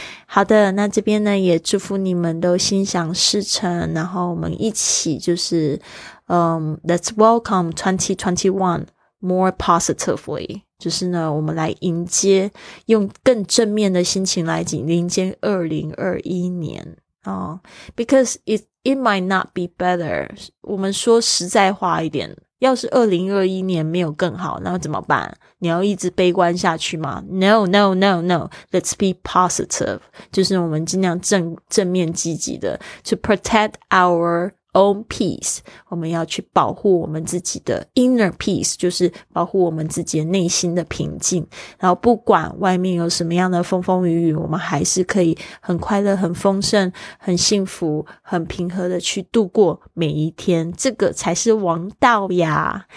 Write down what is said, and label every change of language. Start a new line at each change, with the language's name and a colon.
Chinese: 好的，那这边呢也祝福你们都心想事成，然后我们一起就是
English: Let's welcome 2021 more positively.
Chinese: 就是呢，我们来迎接，用更正面的心情来迎接2021年。
English: Because it might not be better.
Chinese: 我们说实在话一点，要是2021年没有更好，那怎么办？你要一直悲观下去吗？
English: No. Let's be positive.
Chinese: 就是我们尽量正面积极的
English: to protect our own peace，
Chinese: 我们要去保护我们自己的 inner peace， 就是保护我们自己的内心的平静，然后不管外面有什么样的风风雨雨，我们还是可以很快乐很丰盛很幸福很平和的去度过每一天，这个才是王道呀。